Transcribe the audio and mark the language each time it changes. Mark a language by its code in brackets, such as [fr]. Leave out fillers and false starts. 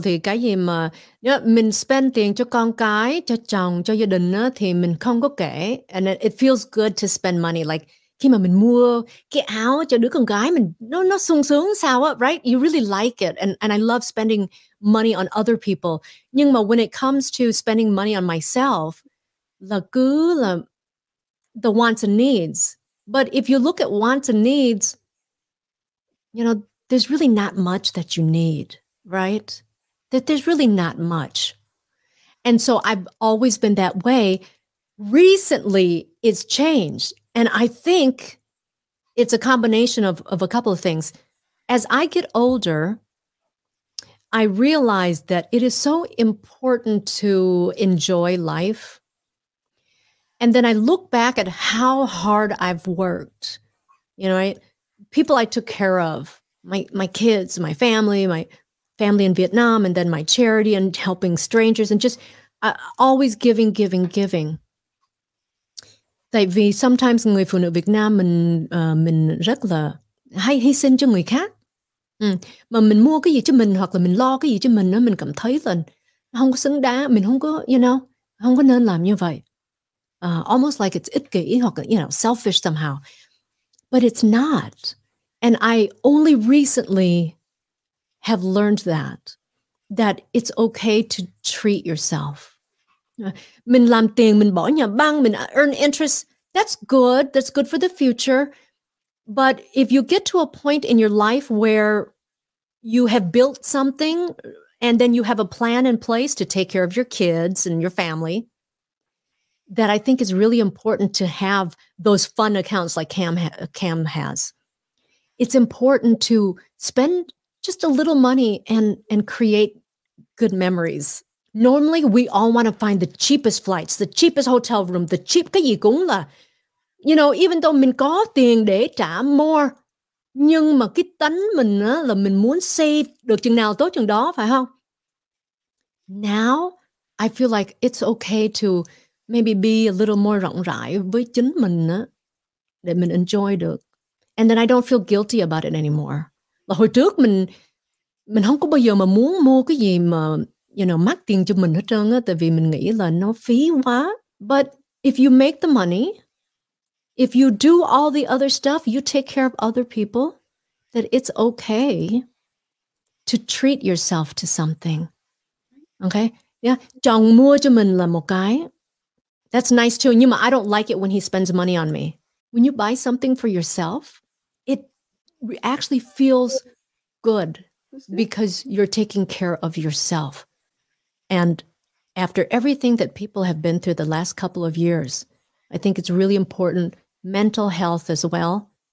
[vi] Thì cái gì mà mình spend tiền cho con cái, cho chồng, cho gia đình á, thì mình không có kể. [en] And it feels good to spend money. Like [vi] khi mà mình mua cái áo cho đứa con gái mình, nó sung sướng sao á, right? [en] You really like it. And I love spending money on other people. [vi] Nhưng mà [en] when it comes to spending money on myself, [vi] là cứ là [en] the wants and needs. But if you look at wants and needs, you know, there's really not much that you need, right? That there's really not much. And so I've always been that way. Recently, it's changed. And I think it's a combination of a couple of things. As I get older, I realize that it is so important to enjoy life. And then I look back at how hard I've worked. You know, right? People I took care of, my kids, my family in Vietnam, and then my charity and helping strangers and just always giving, giving, giving. [vi] Tại vì sometimes người phụ nữ Việt Nam mình rất là hay hy sinh cho người khác. Mà mình mua cái gì cho mình hoặc là mình lo cái gì cho mình, mình cảm thấy là không có xứng đáng, mình không có, you know, không có nên làm như vậy. [en] Almost like it's [vi] ích kỷ hoặc là, [en] you know, selfish somehow. But it's not. And I only recently have learned that it's okay to treat yourself. [vi] Mình làm tiền, mình bỏ nhà băng, mình [en] earn interest. That's good. That's good for the future. But if you get to a point in your life where you have built something and then you have a plan in place to take care of your kids and your family, that I think is really important to have those fun accounts like Cam has. It's important to spend just a little money and create good memories. Normally, we all want to find the cheapest flights, the cheapest hotel room, the cheap [vi] cái gì cũng là. [en] You know, even though [vi] mình có tiền để trả more, nhưng mà cái tính mình á, là mình muốn save được chừng nào tốt chừng đó, phải không? [en] Now, I feel like it's okay to maybe be a little more [vi] rộng rãi với chính mình á, để mình [en] enjoy được. And then I don't feel guilty about it anymore. [vi] Là hồi trước mình không có bao giờ mà muốn mua cái gì mà, you know, mắc tiền cho mình hết trơn á, tại vì mình nghĩ là nó phí quá. [en] But if you make the money, if you do all the other stuff, you take care of other people, that it's okay to treat yourself to something. Okay? Yeah. [vi] Chồng mua cho mình là một cái. [en] That's nice too. [vi] Nhưng mà [en] I don't like it when he spends money on me. When you buy something for yourself, it actually feels good because you're taking care of yourself. And after everything that people have been through the last couple of years, I think it's really important, mental health as well.